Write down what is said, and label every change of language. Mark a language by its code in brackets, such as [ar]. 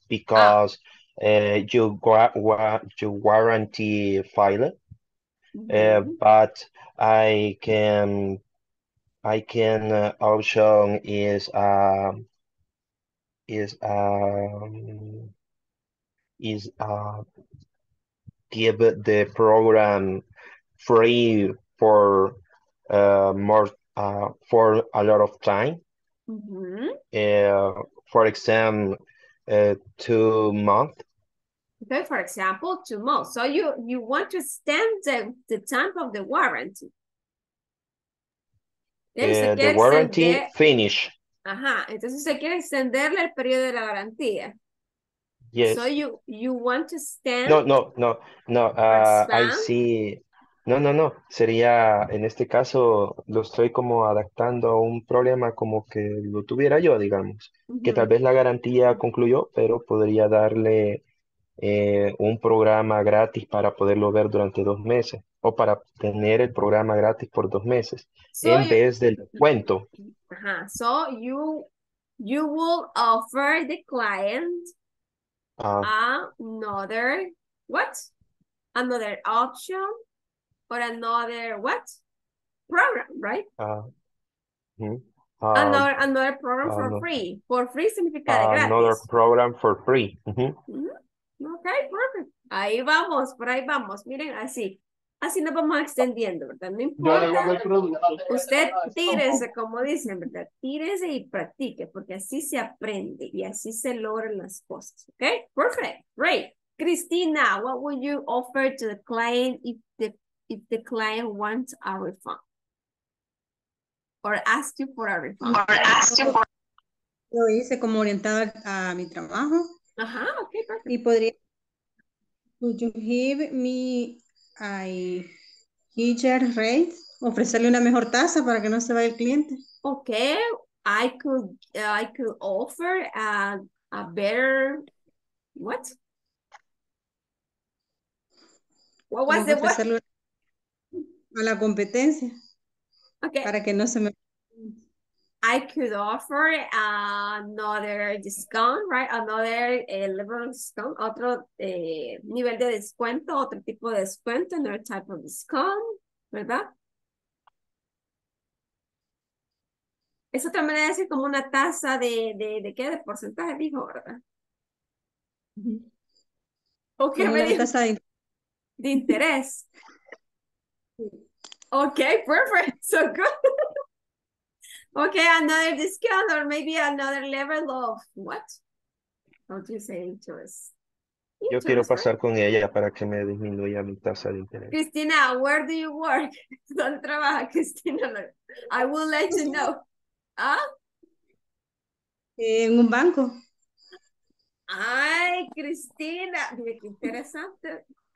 [en] Because you warranty file, but I can option is give the program free for a lot of time. Mm-hmm. For example. 2 months. Okay, for example, 2 months. So you want to extend the time of the warranty. The warranty finish. [es] Ajá, entonces se quiere extenderle el periodo de la garantía. [en] Yes. So you want to extend. No. I see. No. [es] Sería, en este caso, lo estoy como adaptando a un problema como que lo tuviera yo, digamos. Uh-huh. Que tal vez la garantía concluyó, pero podría darle un programa gratis para poderlo ver durante 2 meses. O para tener el programa gratis por 2 meses, vez del cuento. Uh-huh. [en] So you will offer the client another option. Or another what? Program, right? Another program for free. [es] For free significa de gratis. [en] Another program for free. Okay, perfect. [es] Ahí vamos, por ahí vamos. Miren, así. Así nos vamos extendiendo, ¿verdad? No importa. Usted tírese, como dicen, ¿verdad? Tírese y practique, porque así se aprende y así se logran las cosas. [en] Okay, perfect. Great. Cristina, what would you offer to the client if the client wants a refund or ask you for a refund? [es] Lo hice como orientado a mi trabajo. Ajá, okay, perfect. Y podría, [en] would you give me a higher rate? [es] Ofrecerle una mejor tasa para que no se vaya el cliente. [en] Okay, I could offer a better, what? What was the what? [es] A la competencia. [en] Okay. [es] Para que no se me... [en] I could offer another discount, right? Another level discount, [es] otro nivel de descuento, otro tipo de descuento, [en] another type of discount, [es] ¿verdad? Es otra manera de decir como una tasa de qué, de porcentaje, dijo, ¿verdad? ¿O qué me dijo? Tasa de interés. [en] Okay, perfect. So good. Okay, another discount or maybe another level of what? How do you say interest? [es] Yo quiero pasar, right? Con ella para que me disminuya mi tasa de interés. [en] Cristina, where do you work? [es] ¿Dónde trabaja, Cristina? [en] I will let you know. ¿Ah? [es] En un banco. Ay, Cristina. Mira, qué interesante.